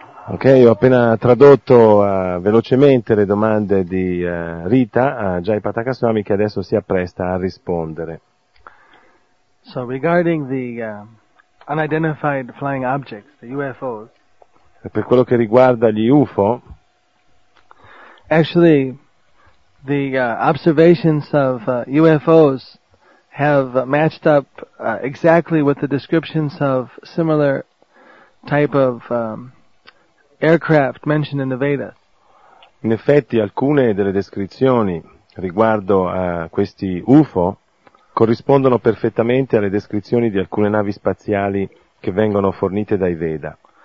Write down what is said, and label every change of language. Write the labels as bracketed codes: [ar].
[it] Ok, ho appena tradotto velocemente le domande di Rita a Jai Patakaswami, che adesso si appresta a rispondere. [en] So regarding the unidentified flying objects, the UFOs. [it] E per quello che riguarda gli UFO. [en] Actually, the observations of UFOs have matched up exactly with the descriptions of similar type of aircraft mentioned in the Vedas. [it] In effetti, alcune delle descrizioni riguardo a questi UFO corrispondono perfettamente alle descrizioni di alcune navi spaziali che vengono fornite dai Veda.